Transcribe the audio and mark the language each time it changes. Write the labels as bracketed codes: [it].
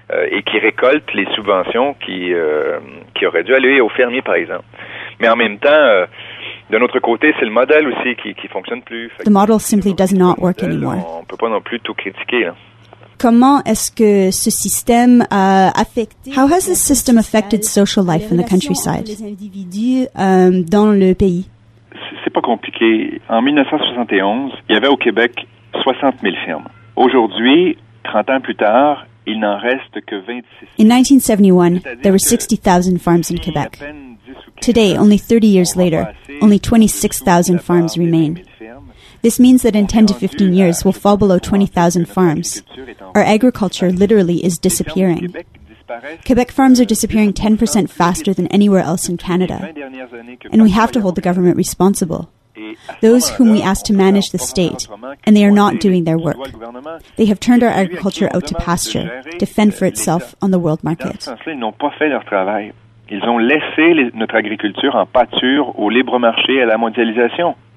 [fr] Et qui récoltent les subventions qui auraient dû aller aux fermiers, par exemple. Mais en même temps, d'un autre côté, c'est le modèle aussi qui fonctionne plus. [en] The model simply does not work anymore. [fr] On peut pas non plus tout critiquer, là. Comment est-ce que ce système a affecté? [en] How has this system affected social life in the countryside? [fr] Les individus dans le pays. C'est pas compliqué. En 1971, il y avait au Québec 60 000 fermes. Aujourd'hui, 30 ans plus tard, il n'en reste que 26. [en] In 1971, there were 60,000 farms in Quebec. Today, only 30 years later, only 26,000 farms remain. This means that in 10 to 15 years, we'll fall below 20,000 farms. Our agriculture literally is disappearing. Quebec farms are disappearing 10% faster than anywhere else in Canada. And we have to hold the government responsible. Those whom we asked to manage the state, and they are not doing their work. They have turned our agriculture out to pasture, to fend for itself on the world market. [fr] Ils n'ont pas fait leur travail. Ils ont laissé notre agriculture en pâture au libre marché et à la mondialisation.